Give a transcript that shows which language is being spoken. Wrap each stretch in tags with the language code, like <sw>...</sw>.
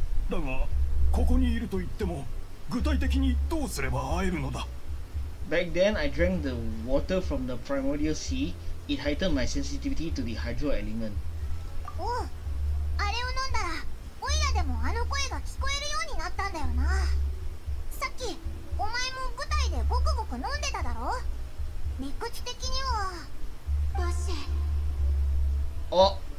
<ja>だがここにいると言っても具体的にどうすれば会えるのだ。</ja> <en>Back then I drank the water from the primordial sea. It heightened my sensitivity to the hydro element.</en> <ja>おう、あれを飲んだらオイラでもあの声が聞こえるようになったんだよな。さっきお前も舞台でごくごく飲んでただろ。理屈的にはバッシェ。あ、</ja>